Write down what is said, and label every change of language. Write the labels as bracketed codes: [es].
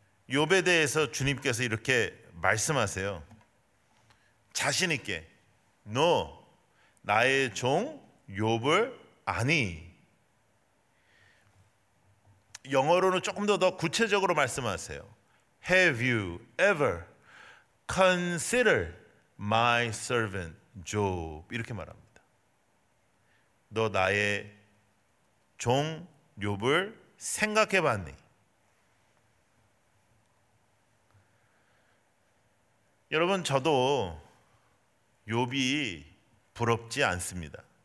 [ko] 욥에 대해서 주님께서 이렇게 말씀하세요. 자신 있게 너 나의 종 욥을 아니 영어로는 조금 더 구체적으로 말씀하세요. [en] Have you ever considered my servant Job? [ko] 이렇게 말합니다. 너 나의 종 욥을 생각해봤니? 여러분 저도 욥이 부럽지 않습니다.